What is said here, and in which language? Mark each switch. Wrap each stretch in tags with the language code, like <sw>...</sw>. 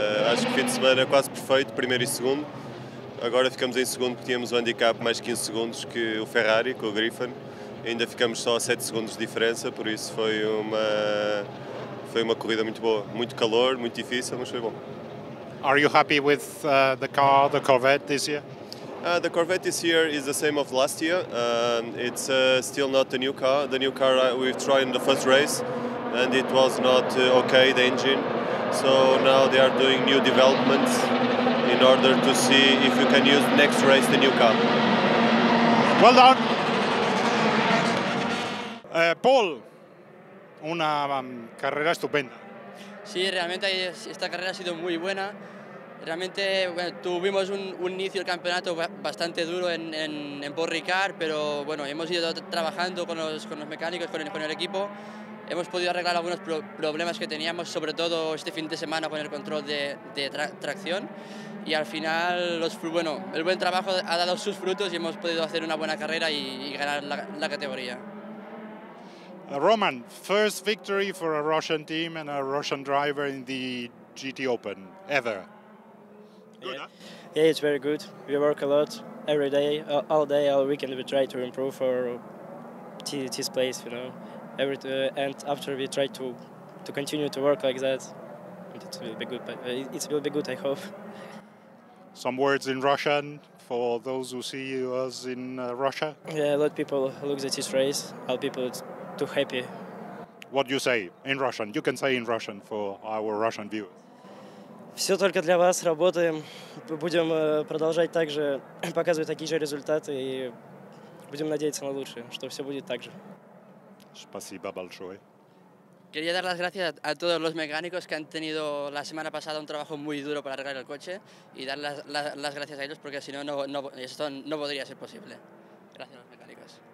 <pt>Acho que o fim de semana é quase perfeito, primeiro e segundo. Agora ficamos em segundo porque tínhamos um handicap mais 15 segundos que o Ferrari, com o Griffin. Ainda ficamos só a 7 segundos de diferença, por isso foi uma corrida muito boa. Muito calor, muito difícil, mas foi bom.</pt> <en>Are you happy with the car, the Corvette this year? The Corvette this year is the same of last year. It's still not the new car. The new car we've tried in the first race, and it was not okay, the engine. So now they are doing new developments in order to see if you can use next race the new car. Well done.</en> <es>Paul, una carrera estupenda. Sí, realmente esta carrera ha sido muy buena. Realmente bueno, tuvimos un inicio del campeonato bastante duro en Paul Ricard, pero bueno, hemos ido trabajando con los mecánicos, con el equipo. Hemos podido arreglar algunos problemas que teníamos, sobre todo este fin de semana con el control de tracción. Y al final, el buen trabajo ha dado sus frutos y hemos podido hacer una buena carrera y ganar la categoría.</es> <en>Roman, first victory for a Russian team and a Russian driver in the GT Open ever. Yeah, it's very good. We work a lot every day, all day, all weekend. We try to improve for this place, you know. And after we try to continue to work like that, it will be good. It will be good, I hope. Some words in Russian for those who see us in Russia. Yeah, a lot of people look at this race. All people too happy. What do you say in Russian? You can say in Russian for our Russian viewers.</en> <ru>Все только для вас, работаем, будем продолжать также показывать такие же результаты и будем надеяться на лучшее, что все будет так же. Спасибо большое.</ru> <es>Quería dar las gracias a todos los mecánicos que han tenido la semana pasada un trabajo muy duro para arreglar el coche y dar las gracias a ellos porque si no, esto no podría ser posible. Gracias a los mecánicos.</es>